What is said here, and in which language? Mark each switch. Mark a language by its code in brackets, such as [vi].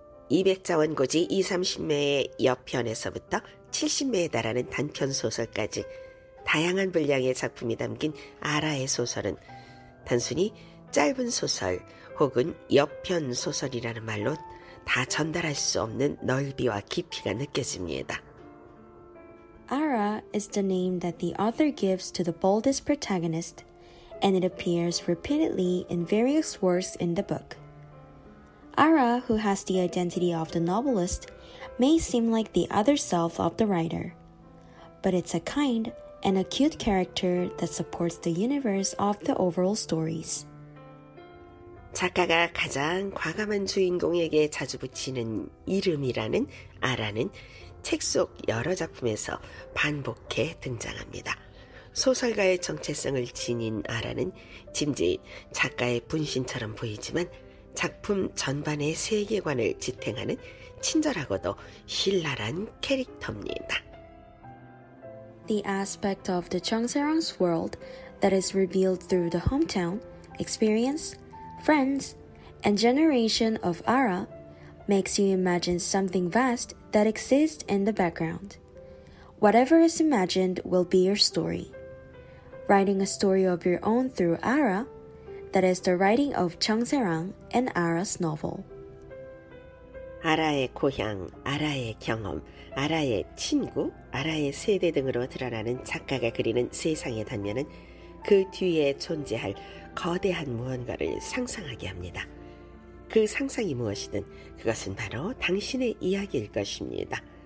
[ko] 200자원 고지 20-30매의 역편에서부터 70매에 달하는 단편 소설까지 다양한 분량의 작품이 담긴 아라의 소설은 단순히 짧은 소설 혹은 역편 소설이라는 말로 다 전달할 수 없는 넓이와 깊이가 느껴집니다. [en] Ara is the name that the author gives to the boldest protagonist, and it appears repeatedly in various works in the book. Ara, who has the identity of the novelist, may seem like the other self of the writer, but it's a kind and acute character that supports the universe of the overall stories. [ko] 작가가 가장 과감한 주인공에게 자주 붙이는 이름이라는 아라는 책 속 여러 작품에서 반복해 등장합니다. 소설가의 정체성을 지닌 아라는 짐짓 작가의 분신처럼 보이지만 작품 전반의 세계관을 지탱하는 친절하고도 신랄한 캐릭터입니다. [en] The aspect of the Jung Se-rang's world that is revealed through the hometown, experience, friends, and generation of Ara makes you imagine something vast that exists in the background. Whatever is imagined will be your story. Writing a story of your own through Ara, that is the writing of Cheong Se-rang and Ara's novel. [ko] 아라의 고향, 아라의 경험, 아라의 친구, 아라의 세대 등으로 드러나는 작가가 그리는 세상의 단면은 그 뒤에 존재할 거대한 무언가를 상상하게 합니다. 그 상상이 무엇이든 그것은 바로 당신의 이야기일 것입니다.